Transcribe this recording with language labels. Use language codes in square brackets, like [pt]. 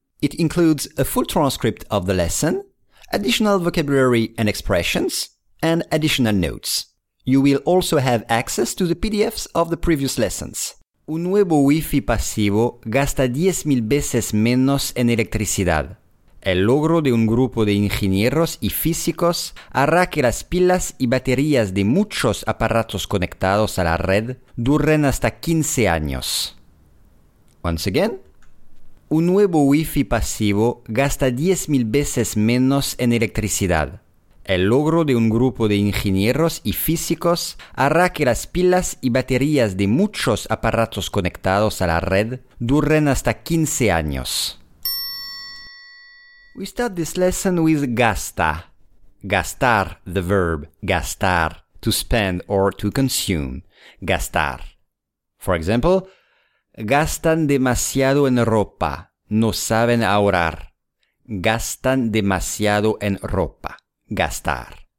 [en] It includes a full transcript of the lesson, additional vocabulary and expressions, and additional notes. You will also have access to the PDFs of the previous lessons. [es] Un nuevo wifi pasivo gasta 10.000 veces menos en electricidad. El logro de un grupo de ingenieros y físicos hará que las pilas y baterías de muchos aparatos conectados a la red duren hasta 15 años. [en] Once again. [es] Un nuevo wifi pasivo gasta 10.000 veces menos en electricidad. El logro de un grupo de ingenieros y físicos hará que las pilas y baterías de muchos aparatos conectados a la red duren hasta 15 años. [en] We start this lesson with gasta. Gastar, the verb gastar, to spend or to consume. [es] Gastar. [en] For example, [es] gastan demasiado en ropa. No saben ahorrar. Gastan demasiado en ropa. Gastar.